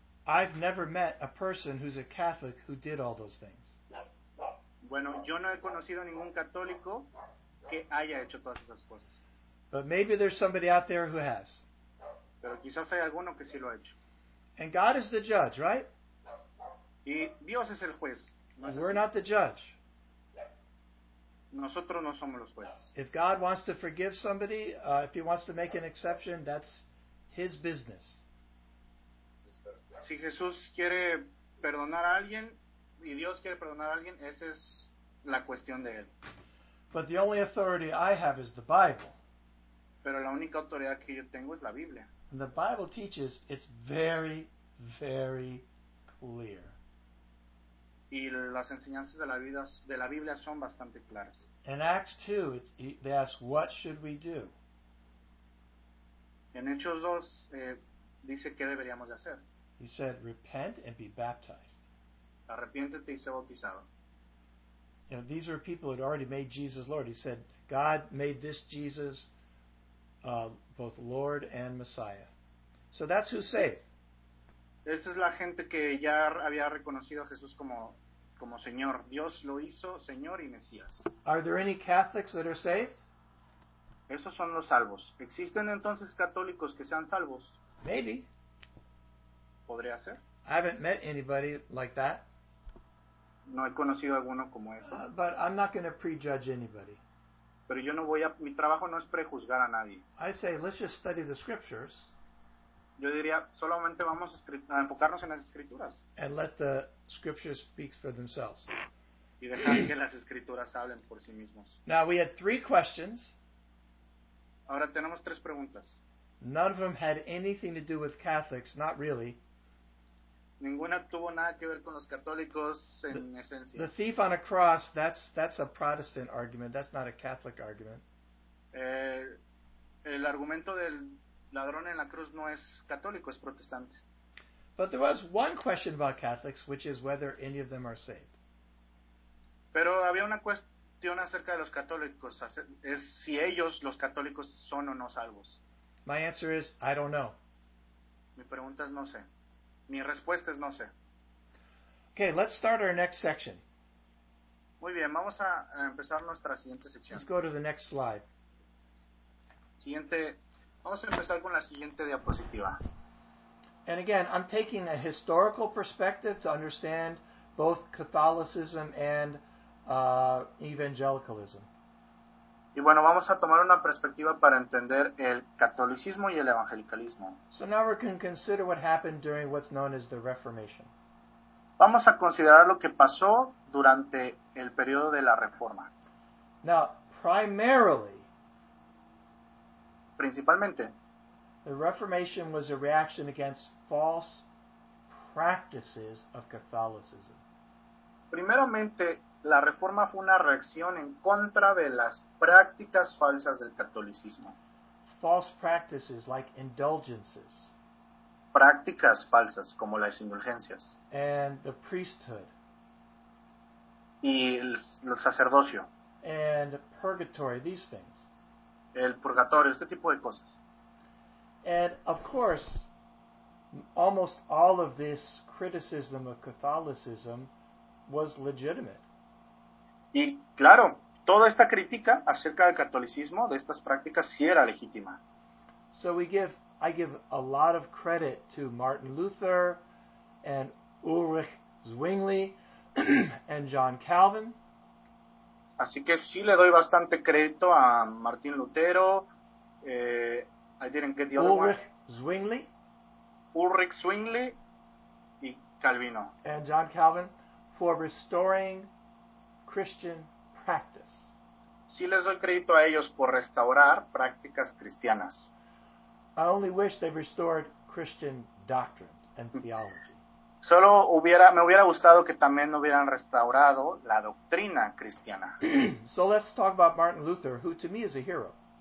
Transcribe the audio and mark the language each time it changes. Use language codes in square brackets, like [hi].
[en] I've never met a person who's a Catholic who did all those things. [es] Bueno, yo no he conocido ningún católico que haya hecho todas esas cosas. [en] But maybe there's somebody out there who has. [es] Pero quizás hay alguno que sí lo ha hecho. [en] And God is the judge, right? [es] Y Dios es el juez. [en] No, we're not the judge. [es] Nosotros no somos los jueces. [en] If God wants to forgive somebody, if he wants to make an exception, that's his business. [es] Si Jesús quiere perdonar a alguien y Dios quiere perdonar a alguien, esa es la cuestión de él. [en] But the only authority I have is the Bible. [es] Pero la única autoridad que yo tengo es la Biblia. [en] And the Bible teaches it's very, very clear. [es] Y las enseñanzas de la Biblia son bastante claras. [en] In Acts 2, they ask, what should we do? [es] En Hechos 2, dice, ¿qué deberíamos de hacer? [en] He said, repent and be baptized. [es] Arrepiéntete y sé bautizado. [en] You know, these were people who had already made Jesus Lord. He said, God made this Jesus both Lord and Messiah. So that's who's saved. [es] Esa es la gente que ya había reconocido a Jesús como Señor. Dios lo hizo Señor y Mesías. [en] Are there any Catholics that are saved? [es] Esos son los salvos. ¿Existen entonces católicos que sean salvos? [en] Maybe. [es] ¿Podría ser? [en] I haven't met anybody like that. [es] No he conocido a alguno como eso. [en] But I'm not going to prejudge anybody. [es] Pero yo no voy a, mi trabajo no es prejuzgar a nadie. [en] I say, let's just study the scriptures. [es] Yo diría, solamente vamos a enfocarnos en las escrituras. [en] And let the scriptures speak for themselves. [es] Y dejar que las escrituras hablen por sí mismos. [en] Now we had three questions. [es] Ahora tenemos tres preguntas. [en] None of them had anything to do with Catholics, not really. [es] Ninguna tuvo nada que ver con los católicos en esencia. [en] The thief on a cross, that's a Protestant argument. That's not a Catholic argument. [es] El argumento del ladrón en la cruz no es católico, es protestante. [en] But there was one question about Catholics, which is whether any of them are saved. [es] Pero había una cuestión acerca de los católicos, es si ellos, los católicos, son o no salvos. [en] My answer is, I don't know. [es] Mi pregunta es, no sé. Mi respuesta es, no sé. [en] Okay, let's start our next section. [es] Muy bien, vamos a empezar nuestra siguiente sección. [en] Let's go to the next slide. [es] Siguiente. Vamos a empezar con la siguiente diapositiva. [en] And again, I'm taking a historical perspective to understand both Catholicism and evangelicalism. [es] Y bueno, vamos a tomar una perspectiva para entender el catolicismo y el evangelicalismo. [en] So now we can consider what happened during what's known as the Reformation. [es] Vamos a considerar lo que pasó durante el periodo de la Reforma. [en] Now, primarily, [es] principalmente, [en] the Reformation was a reaction against false practices of Catholicism. [es] Primeramente, la Reforma fue una reacción en contra de las prácticas falsas del catolicismo. [en] False practices like indulgences. [es] Prácticas falsas como las indulgencias. [en] And the priesthood. [es] Y el sacerdocio. [en] And purgatory, these things. [es] El purgatorio, este tipo de cosas. [en] And of course, almost all of this criticism of Catholicism was legitimate. [es] Y claro, toda esta crítica acerca del catolicismo, de estas prácticas, sí era legítima. [en] So I give a lot of credit to Martin Luther and Ulrich Zwingli and John Calvin. [es] Así que sí le doy bastante crédito a Martín Lutero. [en] I didn't get the other Ulrich one. Zwingli. [es] Ulrich Zwingli y Calvino. [en] And John Calvin for restoring Christian practice. [es] Sí les doy crédito a ellos por restaurar prácticas cristianas. [en] I only wish they restored Christian doctrine and theology. [es] Solo hubiera, me hubiera gustado que también hubieran restaurado la doctrina cristiana. [en] So let's talk about Martin Luther, who to me is a hero.